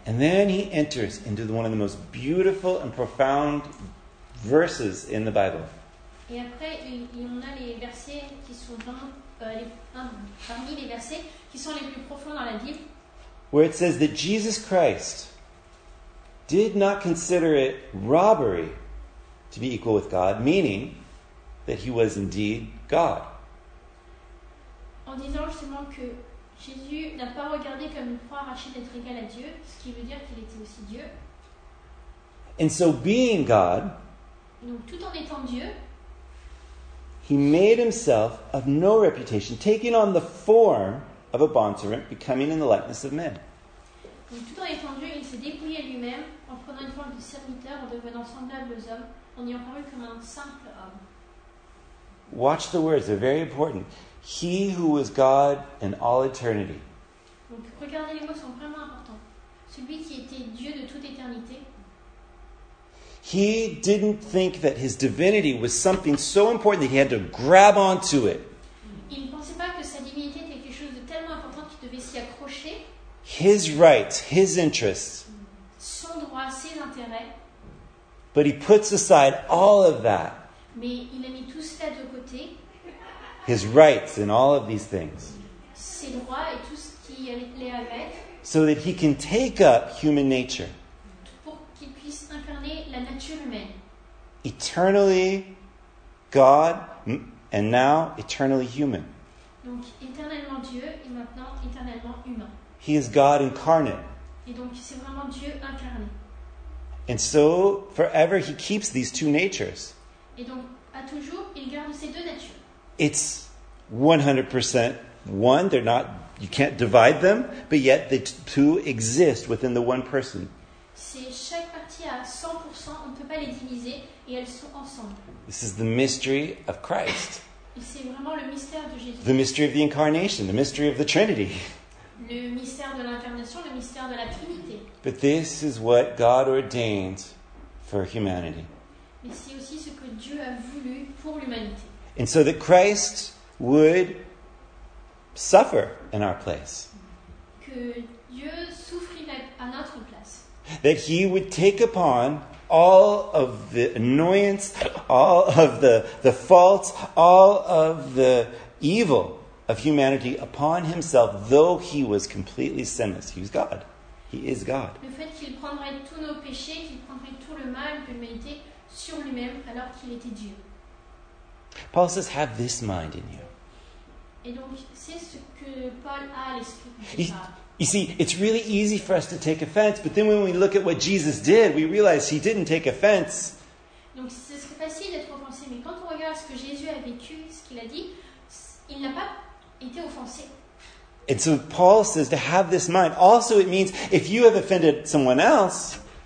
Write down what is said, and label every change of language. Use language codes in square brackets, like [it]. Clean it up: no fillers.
[en] And then he enters into one of the most beautiful and profound verses in the Bible. [fr] Et après, on a les versets qui sont parmi les versets qui sont les plus profonds dans la Bible. [en] Where it says that Jesus Christ did not consider it robbery to be equal with God, meaning that he was indeed God. [fr] En disant justement que Jésus n'a pas regardé comme une proie arrachée d'être égal à Dieu, ce qui veut dire qu'il était aussi Dieu. [en] And so being God, [fr] donc tout en étant Dieu, [en] he made himself of no reputation, taking on the form of a bondservant, becoming in the likeness of men. [fr] Donc, tout en étant Dieu, il s'est dépouillé lui-même en prenant une forme de serviteur, en devenant semblable aux hommes, en ayant paru comme un simple homme. [en] Watch the words, they're very important. He who was God in all eternity. [fr] Donc regardez les mots, sont vraiment importants. Celui qui était Dieu de toute éternité. [en] He didn't think that his divinity was something so important that he had to grab onto it. [fr] Il ne pensait pas que sa divinité était quelque chose de tellement important qu'il devait s'y accrocher. [en] His rights, his interests. [fr] Son droit, ses intérêts. [en] But he puts aside all of that. [fr] Mais il a mis tout cela de côté. [en] His rights and all of these things. [fr] Ses droits et tout ce qui les avait. [en] So that he can take up human nature. [fr] Pour qu'il puisse incarner la nature humaine. [en] Eternally God and now eternally human. [fr] Donc éternellement Dieu et maintenant éternellement humain. [en] He is God incarnate. [fr] Et donc, c'est vraiment Dieu incarné. [en] And so, forever, he keeps these two natures. [fr] Et donc, à toujours, il garde ces deux natures. [en] It's 100% one. They're not, you can't divide them, but yet the two exist within the one person. [fr] C'est chaque partie à 100%, on ne peut pas les diviser, et elles sont ensemble. [en] This is the mystery of Christ. [fr] Et c'est vraiment le mystère de Jésus. [en] The mystery of the incarnation, the mystery of the Trinity. [fr] Le mystère de l'incarnation, le mystère de la Trinité. [en] But this is what God ordained for humanity. [fr] Mais c'est aussi ce que Dieu a voulu pour l'humanité. [en] And so that Christ would suffer in our place. [fr] Que Dieu souffrirait à notre place. [en] That he would take upon all of the annoyance, all of the faults, all of the evil of humanity upon himself, though he was completely sinless. He was God. He is God. [fr] Le fait qu'il prendrait tous nos péchés, qu'il prendrait tout le mal de l'humanité sur lui-même alors qu'il était Dieu. [en] Paul says, have this mind in you. [fr] Et donc, c'est ce que Paul a à l'esprit. [en] You see, it's really easy for us to take offense, but then when we look at what Jesus did, we realize he didn't take offense. [fr] Donc, ce serait facile d'être offensé, mais quand on regarde ce que Jésus a vécu, ce qu'il a dit, il n'a pas été offensé. [en] And so Paul says to have this mind. Also, it means if you have offended someone else.